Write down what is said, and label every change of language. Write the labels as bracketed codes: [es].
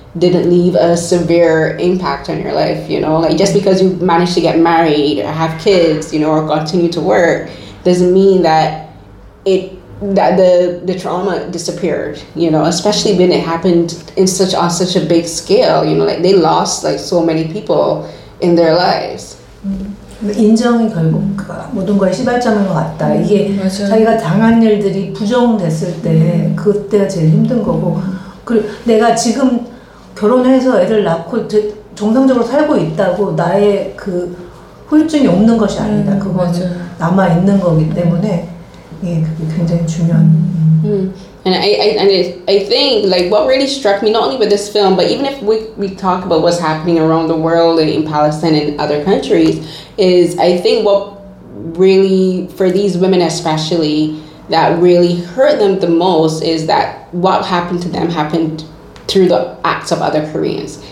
[en] didn't leave a severe impact on your life, you know, like just because you managed to get married or have kids, you know, or continue to work doesn't mean that the trauma disappeared, you know, especially when it happened on such a big scale, you know, like they lost like so many people in their lives. [ko] 인정이 결국 모든 거의 시발점인 것 같다. 이게 맞아요. 자기가 당한 일들이 부정됐을 때 그때가 제일 힘든 거고 그리고 내가 지금 결혼해서 애를 낳고 정상적으로 살고 있다고 나의 그 후유증이 없는 것이 아니다. 그건 맞아요. 남아있는 거기 때문에 이게 그게 굉장히 중요한 [en] And I think like what really struck me not only with this film but even if we talk about what's happening around the world and in Palestine and other countries is I think what really for these women especially that really hurt them the most is that what happened to them happened through the acts of other Koreans.